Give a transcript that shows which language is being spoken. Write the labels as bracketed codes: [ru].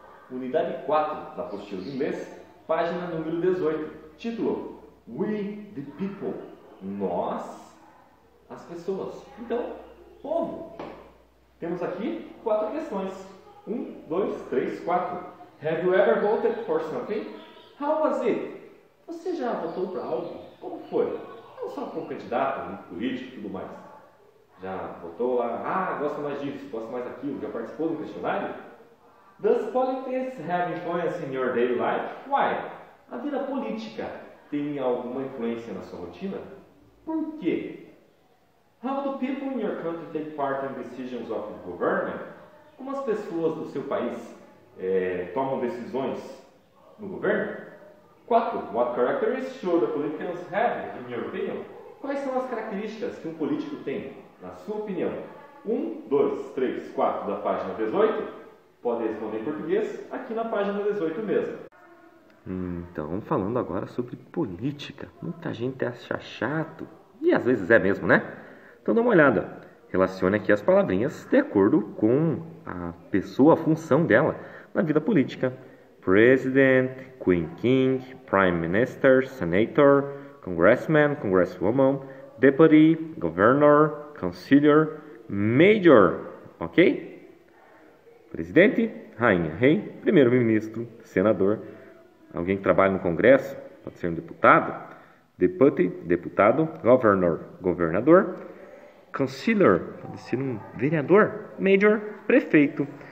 [pt] Unidade 4 da apostila de inglês, página número 18. Título: We the People. Nós, as pessoas. Então, povo. Temos aqui quatro questões. Um, dois, três, quatro. [en] Have you ever voted for something? How was it? [pt] Você já votou para algo? Como foi? Não só como candidato, um político e tudo mais. Já votou lá? Ah, gosta mais disso, gosta mais daquilo. Já participou do questionário? [en] Does politics have influence in your daily life? Why? [pt] A vida política tem alguma influência na sua rotina? Por quê? [en] How do people in your country take part in decisions of the government? [pt] Como as pessoas do seu país tomam decisões no governo? 4. [en] What characteristics should the politicians have, in your opinion? [pt] Quais são as características que um político tem, na sua opinião? 1, 2, 3, 4 da página 18. Pode responder em português aqui na página 18 mesmo. Então, falando agora sobre política, muita gente acha chato, e às vezes é mesmo, né? Então dá uma olhada, relacione aqui as palavrinhas de acordo com a pessoa, a função dela na vida política. [en] President, Queen, King, Prime Minister, Senator, Congressman, Congresswoman, Deputy, Governor, Counselor, Major, ok? [pt] Presidente, Rainha, Rei, Primeiro-Ministro, Senador, alguém que trabalha no Congresso, pode ser um deputado. Deputy, deputado. Governor, governador. Counselor, pode ser um vereador. Major, prefeito.